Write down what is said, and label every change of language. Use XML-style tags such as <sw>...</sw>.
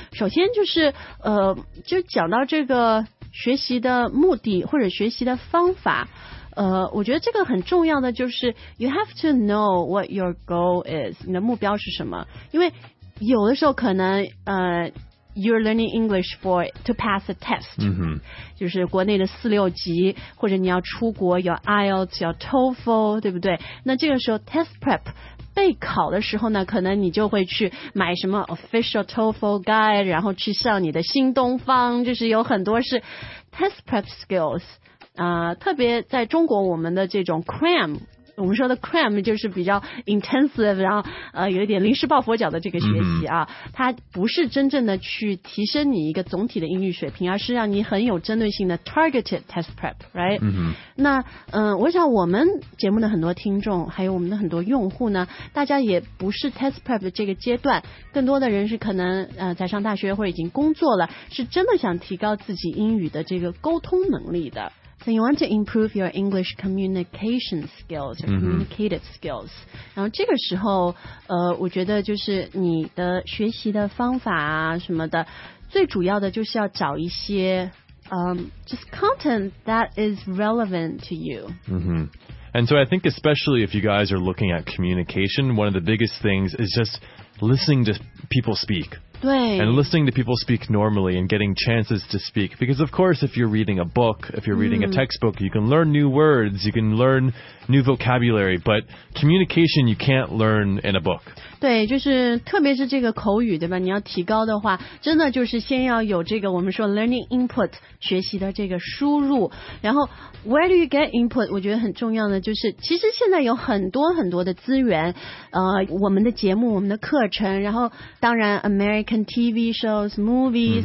<zh>首先就是就讲到这个学习的目的或者学习的方法，我觉得这个很重要的就是</zh> <en>you have to know what your goal is，</en> <zh>你的目标是什么。因为有的时候可能</zh> <en>you're learning English for to pass a test、 mm-hmm.</en> <zh>就是国内的四六级，或者你要出国，有 IELTS， 有 TOEFL， 对不对？那这个时候 test prep 备考的时候呢，可能你就会去买什么 official TOEFL guide， 然后去上你的新东方，就是有很多是 test prep skills、特别在中国我们的这种 cram， 我们说的 cram 就是比较 intensive， 然后有一点临时抱佛脚的这个学习啊、嗯、它不是真正的去提升你一个总体的英语水平，而是让你很有针对性的 targeted test prep， right？嗯，那我想我们节目的很多听众还有我们的很多用户呢，大家也不是 test prep 的这个阶段，更多的人是可能在上大学或者已经工作了，是真的想提高自己英语的这个沟通能力的。</zh> <en>So you want to improve your English communication skills, or communicative skills.、 Mm-hmm.</en> <zh>然后这个时候我觉得就是你的学习的方法啊什么的，最主要的就是要找一些</zh> <en>just content that is relevant to you. Mm-hmm. And so I think especially if you guys are looking at communication, one of the biggest things is just listening to people speak.</en> <zh>对</zh> <en>and listening to people speak normally and getting chances to speak. Because, of course, if you're reading a book, if you're reading、mm. a textbook, you can learn new words, you can learn new vocabulary. But communication, you can't learn in a book.</en> <zh>对，就是特别是这个口语，对吧？你要提高的话，真的就是先要有这个我们说 learning input, 学习的这个输入。</zh> <en>然后 where do you get input?</en> <zh>我觉得很重要的就是，其实现在有很多很多的资源，我们的节目，我们的课程，然后当然</zh> <en>American TV shows, movies,、</en>